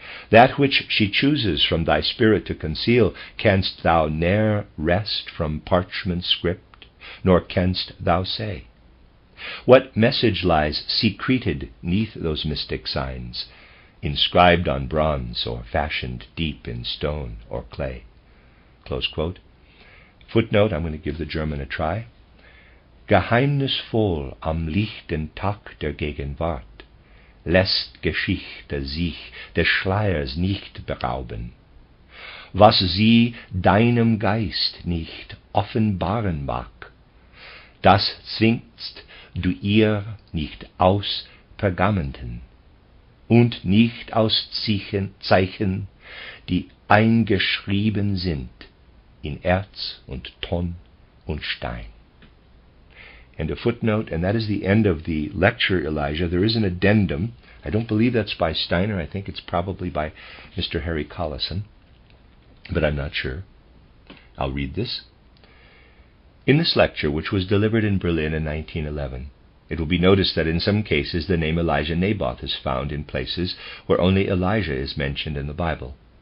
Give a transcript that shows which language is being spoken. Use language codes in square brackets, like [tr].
[en] That which she chooses from thy spirit to conceal, canst thou ne'er wrest from parchment script, nor canst thou say. What message lies secreted neath those mystic signs, inscribed on bronze or fashioned deep in stone or clay?" Close quote. Footnote, I'm going to give the German a try. [de] Geheimnisvoll am lichten Tag der Gegenwart lässt Geschichte sich des Schleiers nicht berauben. Was sie deinem Geist nicht offenbaren mag, das zwingst du ihr nicht aus Pergamenten und nicht aus Zeichen, die eingeschrieben sind in Erz und Ton und Stein. [en] And a footnote, and that is the end of the lecture, Elijah. There is an addendum. I don't believe that's by Steiner. I think it's probably by Mr. Harry Collison, but I'm not sure. I'll read this. In this lecture, which was delivered in Berlin in 1911, it will be noticed that in some cases the name Elijah Naboth is found in places where only Elijah is mentioned in the Bible.